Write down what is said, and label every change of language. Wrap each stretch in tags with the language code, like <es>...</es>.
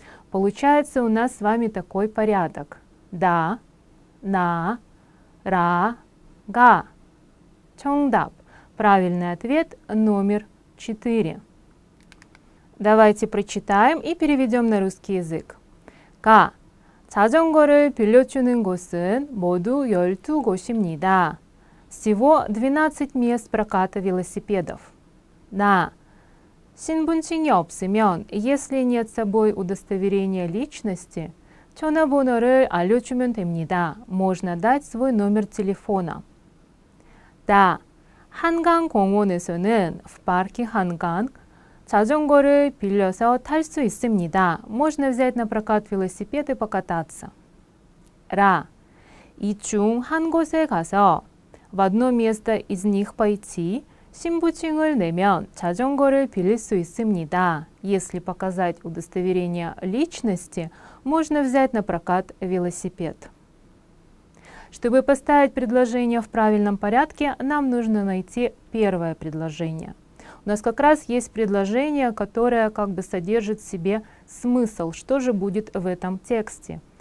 <ru>Получается у нас с вами такой порядок. «Да», «на», «ра», «га». Чондап. Правильный ответ номер 4. Давайте прочитаем и переведем на русский язык. Га.</ru> <ko>자전거를 빌려주는 곳은 모두 열두 곳입니다.</ko> <ru>Всего 12 мест проката велосипедов. На.</ru> <ko>신분증이 없으면,</ko> <ru>если нет с собой удостоверения личности,</ru> <ko>전화번호를 알려주면 됩니다.</ko> <ru>Можно дать свой номер телефона. Да.</ru> <ko>한강 공원에서는</ko> <ru>в парке</ru> <ko>한강 자전거를 빌려서 탈 수 있습니다.</ko> <ru>Можно взять на прокат велосипед и покататься. Ра.</ru> <ko>이 중 한 곳에 가서</ko> <ru>в одно место из них пойти</ru> <ko>신분증을 내면 자전거를 빌릴 수 있습니다.</ko> <ru>Если показать удостоверение личности, можно взять на прокат велосипед. Чтобы поставить предложение в правильном порядке, нам нужно найти первое предложение. У нас как раз есть предложение, которое как бы содержит в себе смысл, что же будет в этом тексте.</ru>